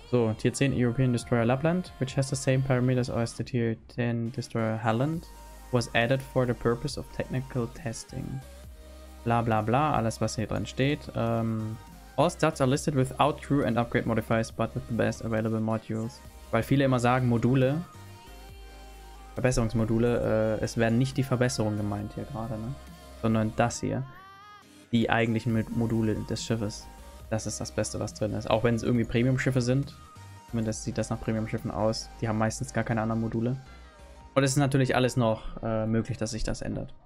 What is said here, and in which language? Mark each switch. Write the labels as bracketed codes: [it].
[en] So, Tier 10 European Destroyer Lapland, which has the same parameters as the Tier 10 Destroyer Halland, was added for the purpose of technical testing. [de] Bla bla bla, alles was hier drin steht. [en] All stats are listed without crew and upgrade modifiers, but with the best available modules. [de] Weil viele immer sagen, Module, Verbesserungsmodule, es werden nicht die Verbesserungen gemeint hier gerade, ne? Sondern das hier, die eigentlichen Module des Schiffes. Das ist das Beste, was drin ist. Auch wenn es irgendwie Premium-Schiffe sind. Zumindest sieht das nach Premium-Schiffen aus. Die haben meistens gar keine anderen Module. Und es ist natürlich alles noch möglich, dass sich das ändert.